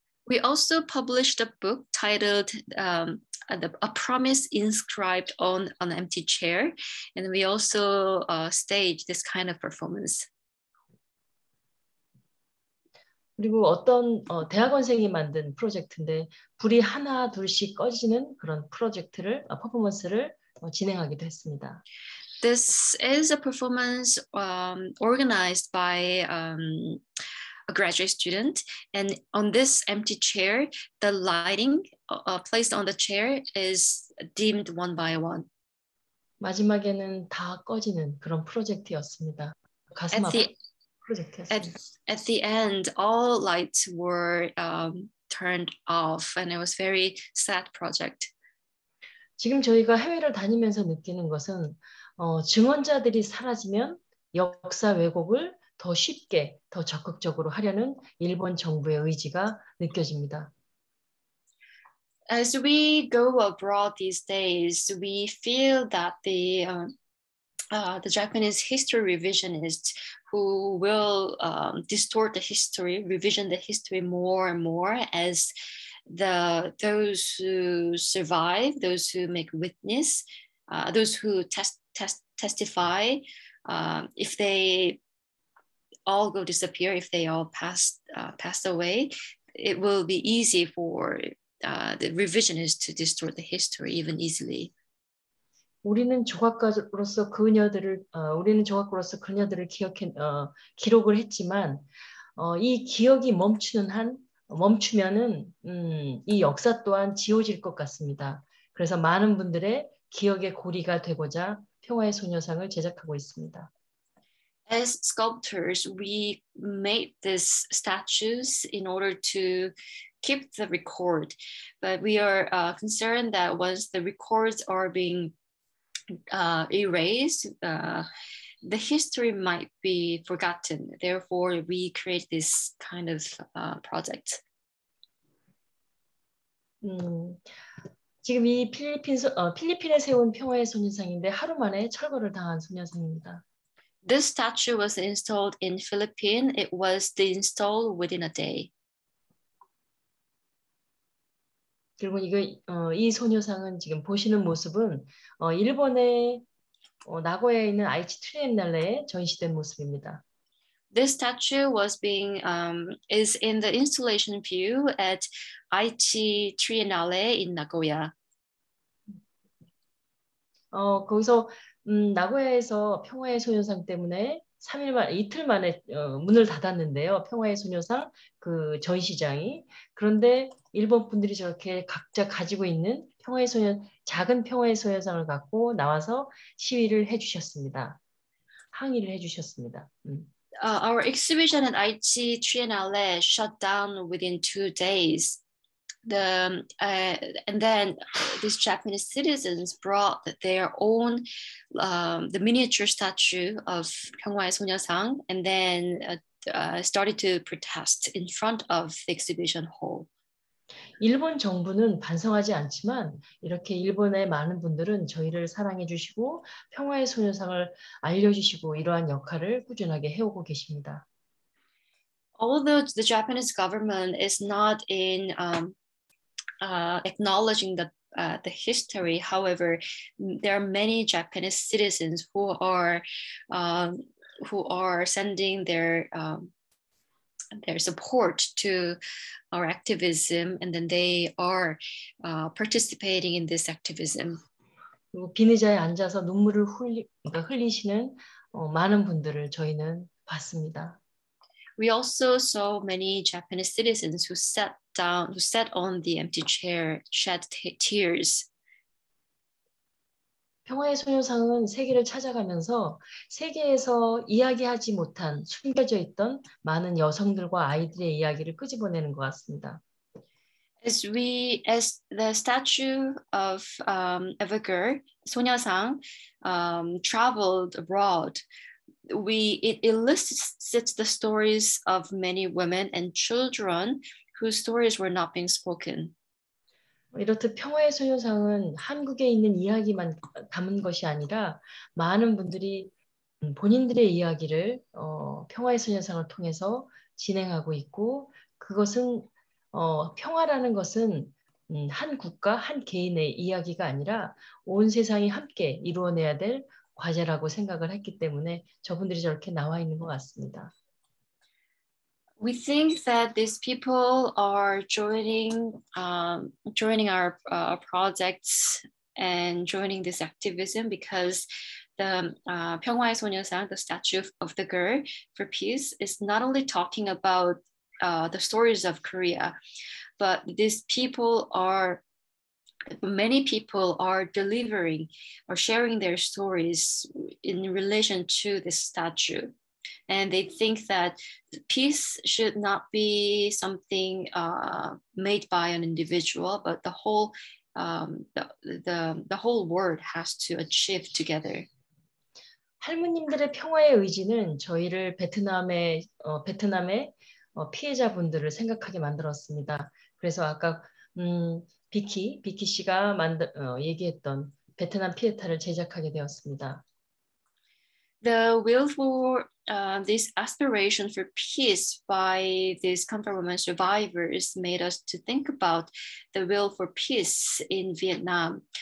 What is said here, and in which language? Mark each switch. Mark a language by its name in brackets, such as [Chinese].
[English] We also published a book titled A Promise Inscribed on an Empty Chair, and we also staged this kind of performance. [Korean] 그리고 어떤 대학원생이 만든 프로젝트인데 불이 하나 둘씩 꺼지는 그런 프로젝트를 퍼포먼스를 진행하기도 했습니다. [English] This is a performance organized by a graduate student, and on this empty chair, the lighting placed on the chair is dimmed one by one. [Korean] 마지막에는 다 꺼지는 그런 프로젝트였습니다. 가슴 아파. [English] At the end, all lights were turned off, and it was a very sad project. [Korean] 지금 저희가 해외를 다니면서 느끼는 것은 증언자들이 사라지면 역사 왜곡을 더 쉽게, 더 적극적으로 하려는 일본 정부의 의지가 느껴집니다. [English] As we go abroad these days, we feel that the Japanese history revisionist who will distort the history, revision the history more and more as those who survive, those who make witness, those who testify, if they all go disappear, if they all pass away, it will be easy for the revisionist to distort the history even easily. [Korean] 우리는 조각가로서 그녀들을 우리는 조각가로서 그녀들을 기억해 기록을 했지만 이 기억이 멈추는 한 멈추면은 이 역사 또한 지워질 것 같습니다. 그래서 많은 분들의 기억의 고리가 되고자 평화의 소녀상을 제작하고 있습니다. [English] As sculptors, we made these statues in order to keep the record, but we are concerned that once the records are being erased, the history might be forgotten. Therefore, we create this kind of project. [Korean] 지금 이 필리핀에 세운 평화의 소녀상인데 하루 만에 철거를 당한 소녀상입니다. [English] This statue was installed in Philippines. It was installed within a day. [Korean] 여러분 이거 이 소녀상은 지금 보시는 모습은 일본의 나고야에 있는 아이치 트리엔날레에 전시된 모습입니다. [English] This statue was being is in the installation view at Aichi Triennale in Nagoya. [Korean] 거기서 나고야에서 평화의 소녀상 때문에 3일만 이틀 만에 문을 닫았는데요. 평화의 소녀상 그 전시장이 그런데 일본 분들이 저렇게 각자 가지고 있는 평화의 소녀 작은 평화의 소녀상을 갖고 나와서 시위를 해 주셨습니다. 항의를 해 주셨습니다. [English] Our exhibition at Aichi Triennale shut down within 2 days. And then these Japanese citizens brought their own the miniature statue of Pyeonghwaui Sonyeosang and then started to protest in front of the exhibition hall. [Korean] 일본 정부는 반성하지 않지만 이렇게 일본의 많은 분들은 저희를 사랑해 주시고 평화의 소녀상을 알려 주시고 이러한 역할을 꾸준하게 해 오고 계십니다. [English] Although the Japanese government is not in acknowledging the history, however, there are many Japanese citizens who are sending their support to our activism, and then they are participating in this activism. [Korean] 빈의자에 앉아서 눈물을 흘리시는 많은 분들을 저희는 봤습니다. [English] We also saw many Japanese citizens who sat on the empty chair, shed tears. [Korean] 평화의 소녀상은 세계를 찾아가면서 세계에서 이야기하지 못한 숨겨져 있던 많은 여성들과 아이들의 이야기를 끄집어내는 것 같습니다. [English] As the statue of Evergirl, 소녀상, traveled abroad, it elicits the stories of many women and children whose stories were not being spoken. [Korean] 이렇듯 평화의 소녀상은 한국에 있는 이야기만 담은 것이 아니라 많은 분들이 본인들의 이야기를 평화의 소녀상을 통해서 진행하고 있고 그것은 평화라는 것은 한 국가, 한 개인의 이야기가 아니라 온 세상이 함께 이루어내야 될 과제라고 생각을 했기 때문에 저분들이 저렇게 나와 있는 것 같습니다. [English] We think that these people are joining our projects and joining this activism because the Pyeonghwaui Sonyeosang, the statue of the girl for peace, is not only talking about the stories of Korea, but these people are, many people are delivering or sharing their stories in relation to this statue. And they think that peace should not be something made by an individual, but the whole world has to achieve together. [Korean] 할머님들의 평화의 의지는 저희를 베트남의 피해자분들을 생각하게 만들었습니다. 그래서 아까 비키 씨가 얘기했던 베트남 피에타를 제작하게 되었습니다. [English] The will for this aspiration for peace by these comfort women survivors made us to think about the will for peace in Vietnam.